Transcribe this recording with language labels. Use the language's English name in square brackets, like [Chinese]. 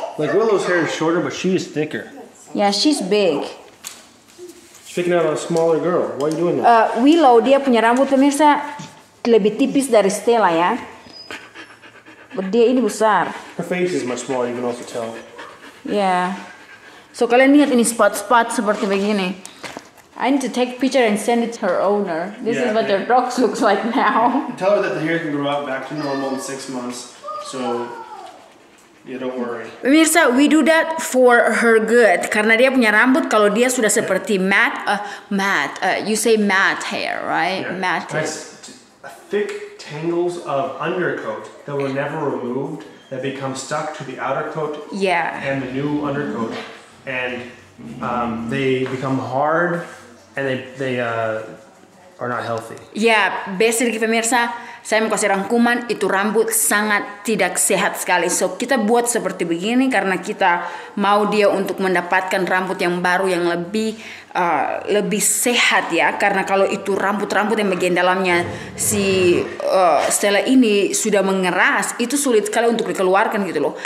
[English] Like Willow's hair is shorter, but she is thicker. Yeah, she's big. She's picking out a smaller girl. Why are you doing that? [Indonesian] Willow dia punya rambut pemirsa lebih tipis dari Stella ya. But dia ini besar. [English] Her face is much smaller. You can also tell. [Indonesian] Yeah. So kalian lihat ini spot-spot seperti begini. [English] I need to take a picture and send it to her owner. This is what their dogs looks like now. Tell her that the hair can grow out back to normal in 6 months. So, yeah, don't worry. Mirsa, we do that for her good. [Indonesian] Karena dia punya rambut, kalau dia sudah seperti [English] you say matte hair, right? Yeah. Matte hair. Thick tangles of undercoat that were never removed, that become stuck to the outer coat and the new undercoat. And they become hard and they are not healthy. [Indonesian] Yeah, basically pemirsa, saya mau kasih rangkuman, itu rambut sangat tidak sehat sekali. So kita buat seperti begini karena kita mau dia untuk mendapatkan rambut yang baru yang lebih lebih sehat ya. Karena kalau itu rambut-rambut yang bagian dalamnya si Stella ini sudah mengeras, itu sulit sekali untuk dikeluarkan gitu loh.